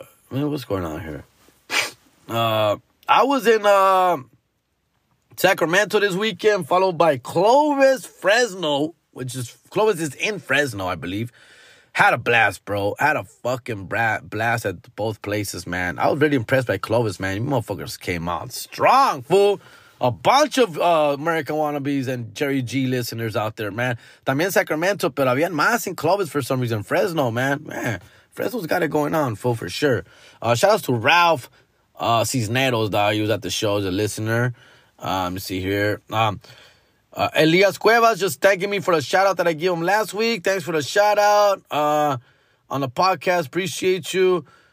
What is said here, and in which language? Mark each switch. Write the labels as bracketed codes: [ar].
[en] What's going on here? I was in Sacramento this weekend, followed by Clovis Fresno, which is Clovis is in Fresno, I believe. Had a blast, bro. Had a fucking blast at both places, man. I was really impressed by Clovis, man. You motherfuckers came out strong, fool. A bunch of American Wannabes and Jerry G listeners out there, man. [es] También Sacramento, pero habían más en Clovis [en] for some reason. Fresno, man. Man, Fresno's got it going on, fool, for sure. Shout-outs to Ralph Cisneros, dog. He was at the show as a listener. Let me see here. Elias Cuevas just thanking me for the shout out that I gave him last week. Thanks for the shout out on the podcast. Appreciate you.